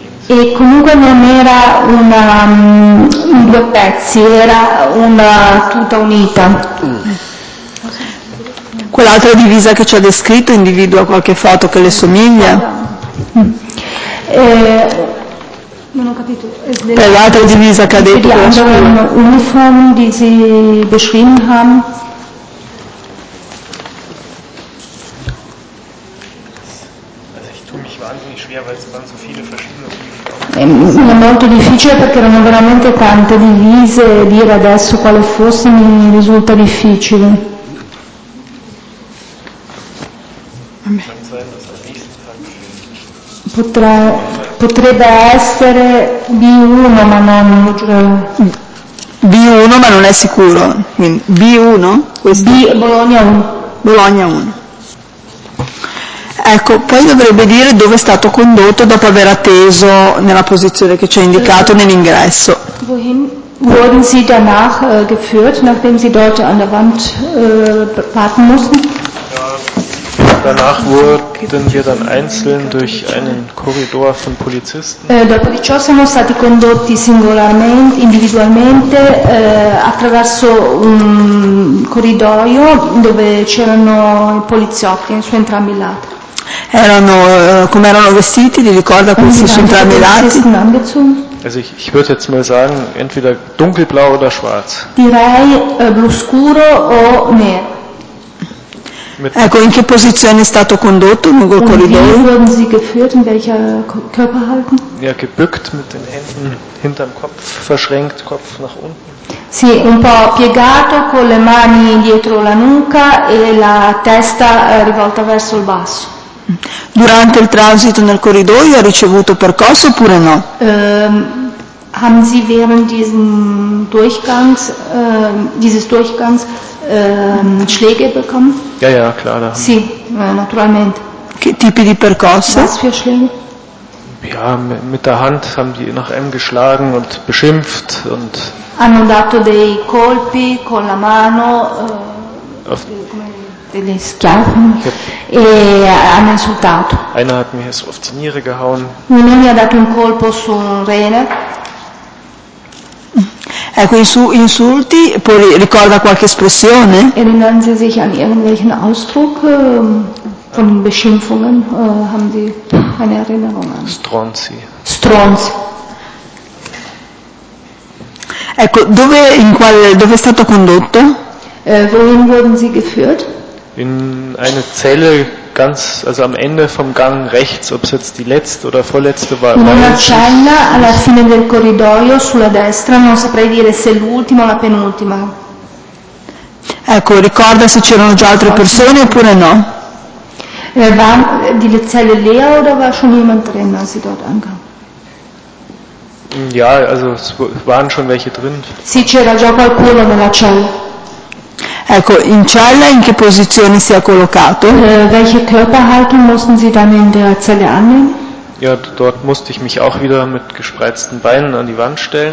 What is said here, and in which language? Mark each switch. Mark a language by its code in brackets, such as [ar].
[it] E comunque non era una due pezzi, era una tuta unita. Quell'altra divisa che ci ha descritto individua qualche foto che le somiglia? Non ho capito. Per l'altra divisa che ha detto. [de] Die anderen Uniformen, die sie beschrieben haben. Also ich tue mich wahnsinnig schwer, weil es waren so viele verschiedene. [it] è molto difficile perché erano veramente tante divise, dire adesso quale fosse mi risulta difficile. Potrebbe essere B1, ma non lo giuro. B1, ma non è sicuro. Quindi B1? Bologna 1. Ecco, poi dovrebbe dire dove è stato condotto dopo aver atteso nella posizione che ci ha indicato nell'ingresso. [de] Wohin wurden Sie danach geführt, nachdem Sie dort an der Wand warten mussten? Danach wurden wir dann einzeln durch einen Korridor von Polizisten. [it] Dopo di ciò siamo stati condotti singolarmente, individualmente, attraverso un corridoio dove c'erano i poliziotti su entrambi i lati. Erano come erano vestiti? Li ricorda questi su entrambi i lati? [de] Also ich würde jetzt mal sagen, entweder dunkelblau oder schwarz. [it] Direi blu scuro o nero. Ecco, in che posizione è stato condotto lungo il corridoio? [de] Wie wurden Sie geführt, in welcher Körperhaltung? Ja, gebückt, mit den Händen hinterm Kopf verschränkt, Kopf nach unten. [it] Sì, un po' piegato, con le mani dietro la nuca e la testa rivolta verso il basso. Durante il transito nel corridoio ha ricevuto percosse oppure no? [de] Haben Sie während diesen Durchgangs, dieses Durchgangs Schläge bekommen? Ja, ja, klar. Da [it] sì, naturalmente. Che tipi di percosse? [de] Was für Schläge? Ja, mit der Hand haben die nach M geschlagen und beschimpft und. [it] Hanno dato dei colpi con la mano. Delle schiaffe. E hanno insultato. [de] Einer hat mir so auf die Niere gehauen. [it] Uno mi ha dato un colpo su un rene. Ecco, insulti, poi ricorda qualche espressione? [de] Erinnern Sie sich an irgendwelchen Ausdruck von Beschimpfungen? Haben Sie eine Erinnerung an? [it] Stronzi. Stronzi. Ecco, dove è stato condotto? [de] Wohin wurden Sie geführt? In eine Zelle ganz, also am Ende vom Gang rechts, ob es jetzt die letzte oder vorletzte war. [it] In una cella alla fine del corridoio sulla destra, non saprei dire se l'ultima o la penultima. Ecco, ricorda se c'erano già altre persone oppure no? [de] War die Zelle leer oder war schon jemand drin, als sie dort ankam? Ja, also es waren schon welche drin. [it] Sì, c'era già qualcuno nella cella. Ecco, in cella in che posizione si è collocato? [de] Welche Körperhaltung mussten Sie dann in der Zelle annehmen? Ja, dort musste ich mich auch wieder mit gespreizten Beinen an die Wand stellen.